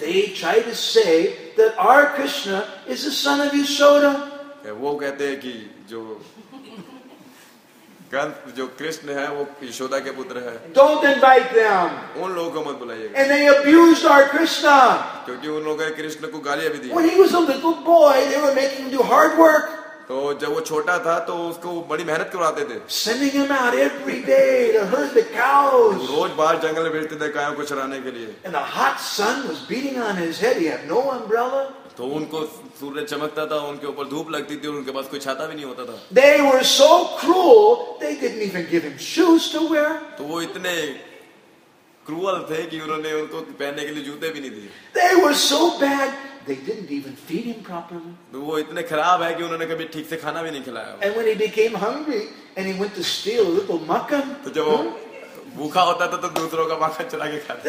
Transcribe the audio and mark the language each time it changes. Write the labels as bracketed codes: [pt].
[en] They try to say that our Krishna is the son of Yashoda. [hi] वो कहते हैं कि जो जो कृष्ण है वो यशोदा के पुत्र है. [en] Don't invite them. [hi] उन लोगों को मत बुलाइएगा. [en] And they abused our Krishna. [hi] क्योंकि उन लोगों ने कृष्ण को गालियां भी दी. [en] When he was a little boy, they were making him do hard work. [hi] तो जब वो छोटा था तो उसको बड़ी मेहनत करवाते थे. [en] Sending him out every day to herd the cows. [hi] रोज बाहर जंगल में भेजते थे गायों को चराने के लिए. [en] And the hot sun was beating on his head. He had no umbrella. [hi] तो उनको सूर्य चमकता था, उनके ऊपर धूप लगती थी और उनके पास कोई छाता भी नहीं होता था. [en] They were so cruel, they didn't even give him shoes to wear. [hi] तो वो इतने क्रूअल थे कि उन्होंने उनको पहनने के लिए जूते भी नहीं दिए. [en] They were so bad, they didn't even feed him properly. [hi] तो वो इतने खराब है कि उन्होंने कभी ठीक से खाना भी नहीं खिलाया. [en] And when he became hungry and he went to steal a little makan. [hi] तो जब वो भूखा होता था तो दूसरों का मक्खन चुरा के खाते.